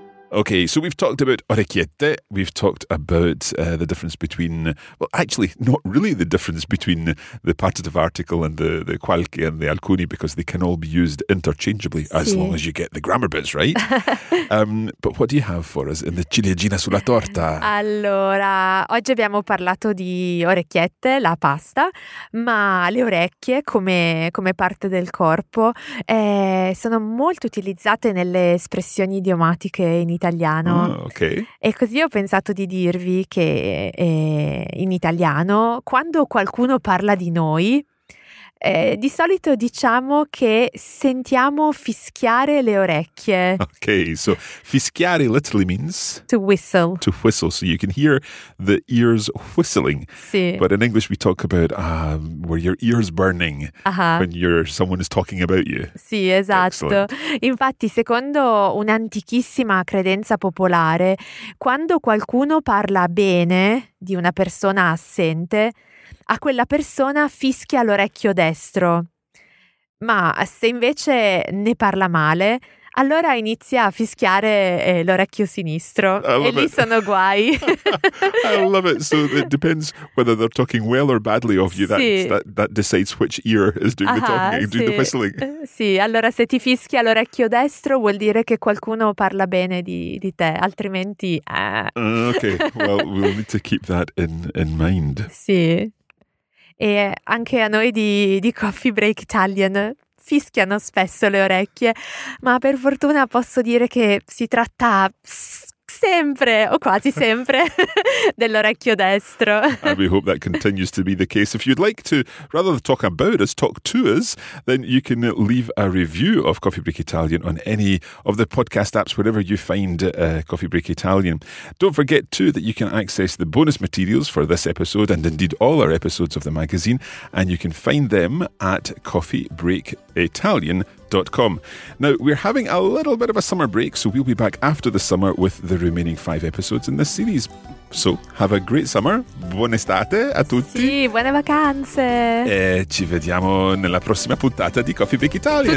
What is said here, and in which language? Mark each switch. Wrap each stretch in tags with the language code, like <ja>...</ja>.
<en>Okay, so we've talked about orecchiette, we've talked about the difference between, well, actually, not really the difference between the partitive article and the qualche and the alcuni, because they can all be used interchangeably si. As long as you get the grammar bits right. but what do you have for us in the</en> <it>ciliegina sulla torta? Allora, oggi abbiamo parlato di orecchiette, la pasta, ma le orecchie come parte del corpo sono molto utilizzate nelle espressioni idiomatiche in italiano.</it> <en>Okay.</en> <it>E così ho pensato di dirvi che in italiano, quando qualcuno parla di noi, di solito diciamo che sentiamo fischiare le orecchie.</it> <en>Okay, so fischiare literally means to whistle. To whistle, so you can hear the ears whistling.</en> <it>Sì.</it> <en>But in English we talk about where your ears burning uh-huh. when someone is talking about you.</en> <it>Sì, esatto.</it> <en>Excellent.</en> <it>Infatti, secondo un'antichissima credenza popolare, quando qualcuno parla bene di una persona assente, a quella persona fischia l'orecchio destro. Ma se invece ne parla male, allora inizia a fischiare l'orecchio sinistro.</it> <en>I love it.</en> <it>Lì sono guai.</it> <en>I love it. So it depends whether they're talking well or badly of you.</en> <it>Sì.</it> <en>That decides which ear is doing the talking,</en> <it>sì.</it> <en>doing the whistling.</en> <it>Sì, allora se ti fischia l'orecchio destro vuol dire che qualcuno parla bene di te, altrimenti...</it> <en>Okay, well, we'll need to keep that in mind.</en> <it>Sì. E anche a noi di Coffee Break Italian fischiano spesso le orecchie, ma per fortuna posso dire che si tratta sempre, o quasi sempre, dell'orecchio destro.</it> <en>And we hope that continues to be the case. If you'd like to, rather than talk about us, talk to us, then you can leave a review of Coffee Break Italian on any of the podcast apps, wherever you find Coffee Break Italian. Don't forget, too, that you can access the bonus materials for this episode, and indeed all our episodes of the magazine, and you can find them at coffeebreakitalian.com. Now, we're having a little bit of a summer break, so we'll be back after the summer with the remaining 5 episodes in this series. So, have a great summer.</en> <it>Buon estate a tutti. Sì, buone vacanze. E ci vediamo nella prossima puntata di Coffee Break Italian.</it>